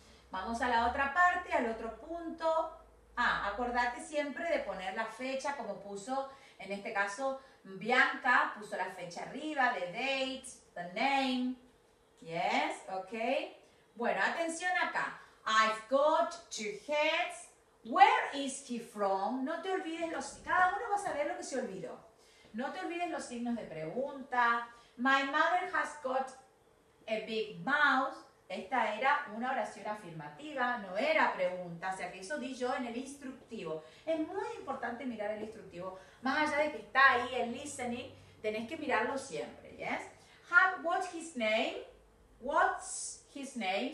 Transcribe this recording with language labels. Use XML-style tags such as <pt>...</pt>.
<es>Vamos a la otra parte, al otro punto. Ah, acordate siempre de poner la fecha, como puso, en este caso, Bianca, puso la fecha arriba,</es> <en>the date, the name. Yes, ok.</en> <es>Bueno, atención acá.</es> <en>I've got two heads. Where is he from?</en> <es>No te olvides los... Cada uno va a saber lo que se olvidó. No te olvides los signos de pregunta.</es> <en>My mother has got a big mouth.</en> <es>Esta era una oración afirmativa, no era pregunta. O sea, que eso di yo en el instructivo. Es muy importante mirar el instructivo. Más allá de que está ahí el listening, tenés que mirarlo siempre.</es> <en>¿Yes? What's his name? What's his name?</en>